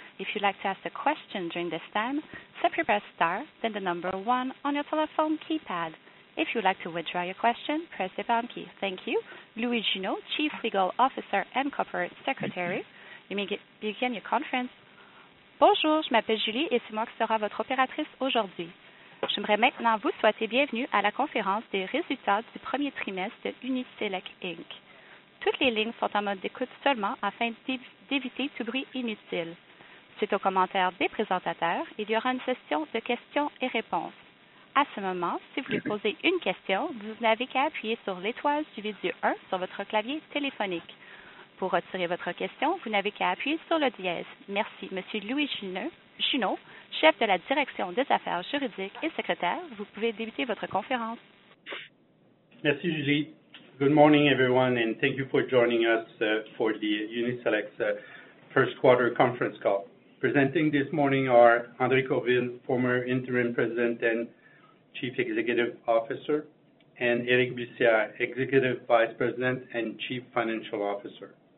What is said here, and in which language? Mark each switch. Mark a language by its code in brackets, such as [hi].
[en] If you'd like to ask a question during this time, simply press star, then the number one on your telephone keypad. If you'd like to withdraw your question, press the pound key. Thank you. Louis Junot, Chief Legal Officer and Corporate Secretary, you may begin your conference. [fr] Bonjour, je m'appelle Julie et c'est moi qui serai votre opératrice aujourd'hui. J'aimerais maintenant vous souhaiter bienvenue à la conférence des résultats du premier trimestre de Uni-Select Inc. Toutes les lignes sont en mode d'écoute seulement afin d'éviter tout bruit inutile. Suite aux commentaires des présentateurs, il y aura une session de questions et réponses. À ce moment, si vous voulez poser une question, vous n'avez qu'à appuyer sur l'étoile suivie du 1 sur votre clavier téléphonique. Pour retirer votre question, vous n'avez qu'à appuyer sur le dièse. Merci. Monsieur Louis Junot, chef de la direction des affaires juridiques et secrétaire, vous pouvez débuter votre conférence. Merci, Julie. [en] Good morning, everyone, and thank you for joining us for the Uni-Select's first quarter conference call. Presenting this morning are André Courville, former interim president and Chief Executive Officer, and Éric Bussières, Executive Vice President and Chief Financial Officer.